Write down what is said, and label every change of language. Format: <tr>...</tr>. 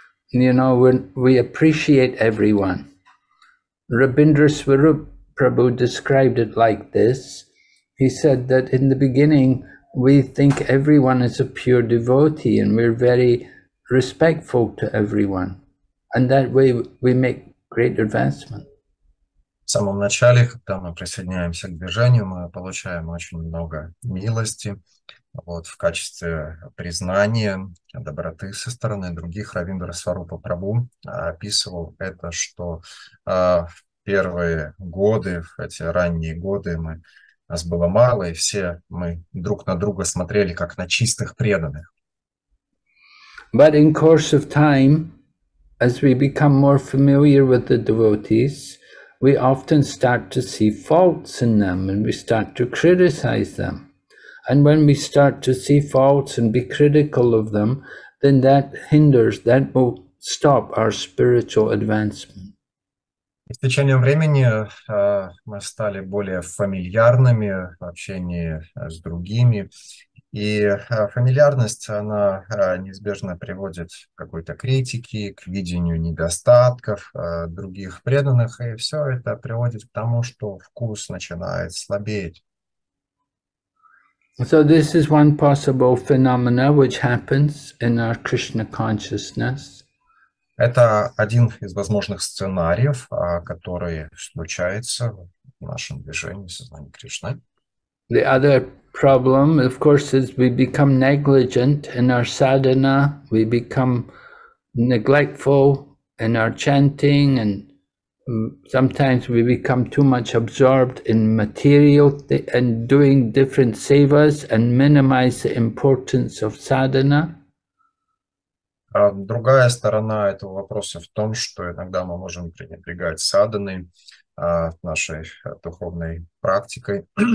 <en>You know, we appreciate everyone. Rabindra Swarup Prabhu described it like this. He said that in the beginning, we think everyone is a pure devotee and we're very respectful to everyone. And that way we make great advancement.</en> <ru>В самом начале, когда мы присоединяемся к движению, мы получаем очень много милости вот, в качестве признания доброты со стороны других. Равиндра Сварупа Прабу описывал это, что в первые годы, в эти ранние годы, мы, нас было мало, и все мы друг на друга смотрели, как на чистых преданных.</ru> <en>But in course of time, as we become more familiar with the devotees, we often start to see faults in them and we start to criticize them. And when we start to see faults and be critical of them, then that hinders, that will stop our spiritual advancement.</en> <ru>С течением времени мы стали более фамильярными в общении с другими. И фамильярность, она неизбежно приводит к какой-то критике, к видению недостатков других преданных, и все это приводит к тому, что вкус начинает слабеть.</ru> <en>So this is one possible phenomena, which happens in our Krishna consciousness.</en> <ru>Это один из возможных сценариев, который случается в нашем движении сознания Кришны.</ru> <en>The other problem, of course, is we become negligent in our sadhana, we become neglectful in our chanting, and sometimes we become too much absorbed in material and doing different sevas and minimize the importance of sadhana.</en> <ru>Другая сторона этого вопроса в том, что иногда мы можем пренебрегать садханой, нашей духовной практикой.</ru>